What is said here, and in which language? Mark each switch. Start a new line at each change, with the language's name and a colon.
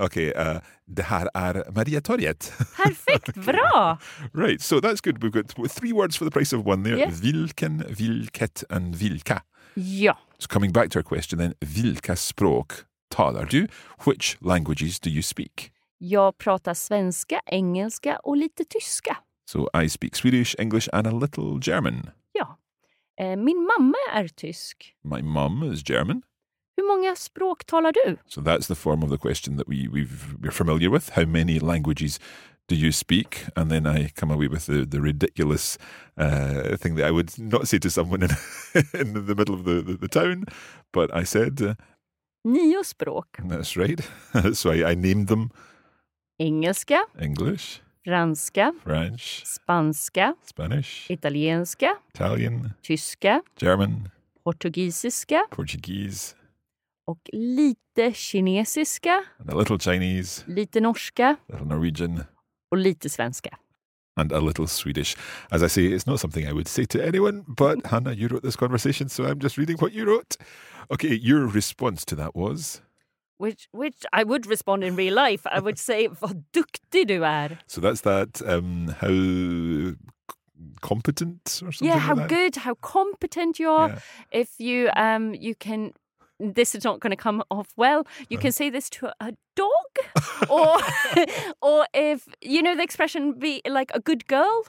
Swedish: Okay. Det här är Mariatorget. Perfekt. Okay. Bra.
English: Right. So that's good. We've got three words for the price of one there. Yes.
Swedish: Vilken, vilket and vilka.
English: Yeah. So coming back to our question then,
Swedish: vilka språk talar du?
English: Which languages do you speak?
Swedish: Jag pratar svenska, engelska och lite tyska.
English: So I speak Swedish, English and a little German.
Swedish: Ja. Min mamma är tysk.
English: My mom is German.
Swedish: Hur många språk talar du?
English: So that's the form of the question that we're familiar with. How many languages do you speak? And then I come away with the ridiculous thing that I would not say to someone in the middle of the town. But I said...
Swedish: Nio språk.
English: That's right. So I named them...
Swedish: Engelska.
English: English.
Swedish: Franska.
English: French.
Swedish: Spanska.
English: Spanish.
Swedish: Italienska.
English: Italian.
Swedish: Tyska.
English: German.
Swedish: Portugisiska.
English: Portuguese.
Swedish: Och lite kinesiska.
English: And a little Chinese.
Swedish: Lite norska.
English: A little Norwegian.
Swedish: Och lite svenska.
English: And a little Swedish. As I say, it's not something I would say to anyone, but Hannah, you wrote this conversation, so I'm just reading what you wrote. Okay, your response to that was? Which I would respond in real life. I would say,
Swedish: vad duktig du är.
English: So that's that, how competent or something Yeah, like how that. Good, how competent you are. Yeah. If you you can... This is not going to come off well. You can say this to a dog or if, you know, the expression be like a good girl.